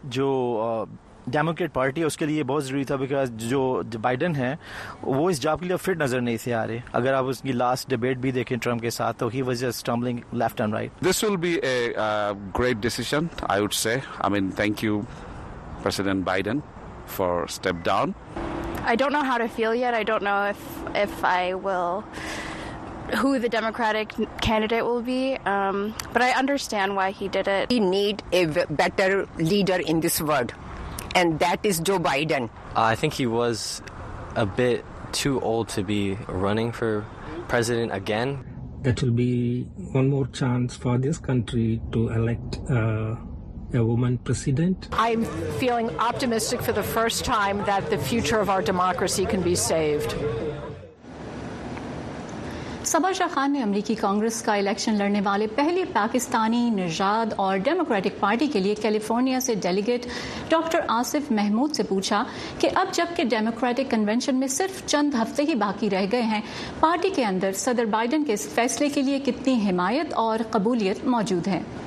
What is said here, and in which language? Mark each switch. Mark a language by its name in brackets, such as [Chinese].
[Urdu] جو Democrat party ہے اس کے لیے بہت ضروری تھا, بیکاز جو بائیڈن ہے وہ اس جاب کے لیے فٹ نظر نہیں تھے آ رہے. اگر آپ اس کی لاسٹ ڈبیٹ بھی دیکھیں ٹرمپ کے ساتھ, تو [English] He was just stumbling left and right. This will be a great decision I would say. I mean thank you President Biden for step down. I don't know how to feel yet. I don't know if I will, who the Democratic candidate will be. But I understand why he did it. We need a better leader in this world, and that is Joe Biden. I think he was a bit too old to be running for president again. That will be one more chance for this country to elect a woman president. I'm feeling optimistic for the first time that the future of our democracy can be saved. [Urdu] صبر شاہ خان نے امریکی کانگریس کا election لڑنے والے پہلے پاکستانی نژاد اور democratic party کے لیے کیلیفورنیا سے ڈیلیگیٹ ڈاکٹر آصف محمود سے پوچھا کہ اب جب کہ ڈیموکریٹک کنونشن میں صرف چند ہفتے ہی باقی رہ گئے ہیں, پارٹی کے اندر صدر بائیڈن کے اس فیصلے کے لیے کتنی حمایت اور قبولیت موجود ہے.